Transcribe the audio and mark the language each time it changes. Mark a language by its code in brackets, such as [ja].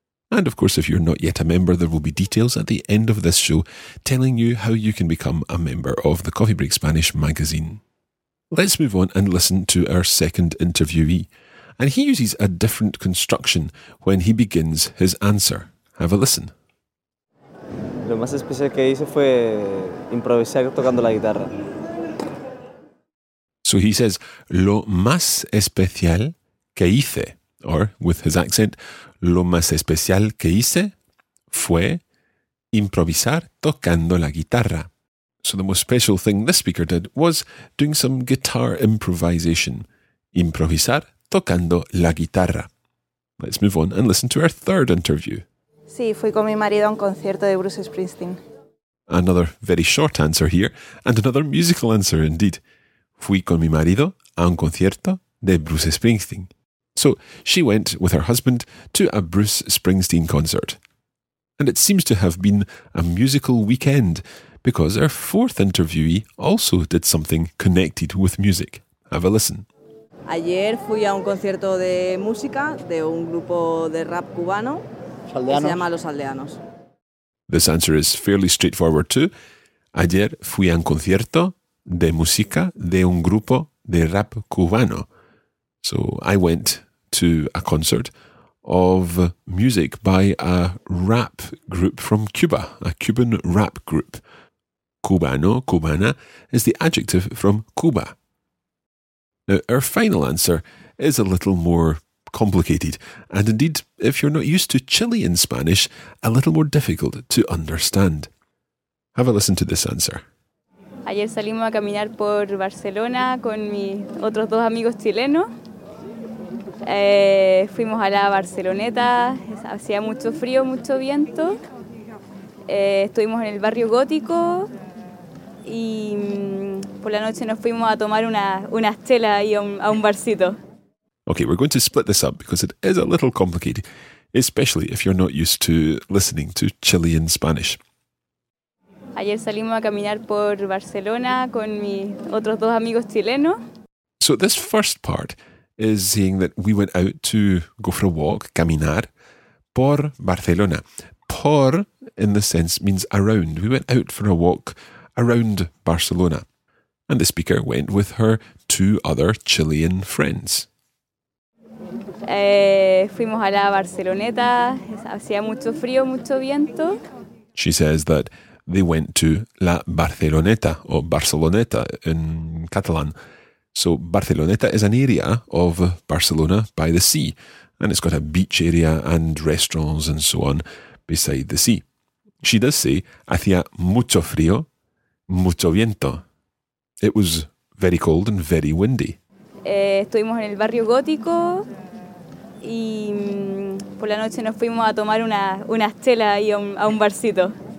[en] And of course, if you're not yet a member, there will be details at the end of this show telling you how you can become a member of the Coffee Break Spanish magazine. Let's move on and listen to our second interviewee. And he uses a different construction when he begins his answer. Have a listen. [es] Lo más especial que hice fue improvisar tocando la guitarra. [en] So he says, [es] lo más especial que hice, [en] or with his accent, [es] lo más especial que hice fue improvisar tocando la guitarra. [en] So the most special thing this speaker did was doing some guitar improvisation. [es] Improvisar tocando la guitarra. [en] Let's move on and listen to our third interview. [es] Sí, fui con mi marido a un concierto de Bruce Springsteen. [en] Another very short answer here, and another musical answer indeed. [es] Fui con mi marido a un concierto de Bruce Springsteen. [en] So, she went with her husband to a Bruce Springsteen concert. And it seems to have been a musical weekend, because our fourth interviewee also did something connected with music. Have a listen. [es] Ayer fui a un concierto de música de un grupo de rap cubano. ¿Saldeanos? Se llama Los Aldeanos. [en] This answer is fairly straightforward too. [es] Ayer fui a un concierto de música de un grupo de rap cubano. [en] So I went to a concert of music by a rap group from Cuba, a Cuban rap group. Cubano, cubana, is the adjective from Cuba. Now, our final answer is a little more complicated, and indeed, if you're not used to Chilean Spanish, a little more difficult to understand. Have a listen to this answer. [es] Ayer salimos a caminar por Barcelona con mis otros dos amigos chilenos. Fuimos a la Barceloneta, hacía mucho frío, mucho viento. Estuvimos en el barrio gótico y por la noche nos fuimos a tomar una chela y a un barcito. [en] Okay, we're going to split this up because it is a little complicated, especially if you're not used to listening to Chilean Spanish. [es] Ayer salimos a caminar por Barcelona con mis otros dos amigos chilenos. [en] So this first part is saying that we went out to go for a walk, caminar, por Barcelona. Por, in this sense, means around. We went out for a walk around Barcelona. And the speaker went with her two other Chilean friends. [es] Fuimos a la Barceloneta, hacía mucho frío, mucho viento. [en] She says that they went to la Barceloneta, or Barceloneta in Catalan. So Barceloneta is an area of Barcelona by the sea, and it's got a beach area and restaurants and so on beside the sea. She does say, [es] hacía mucho frío, mucho viento. [en] It was very cold and very windy. [es] Estuvimos en el barrio gótico y por la noche nos fuimos a tomar una chela y a un barcito.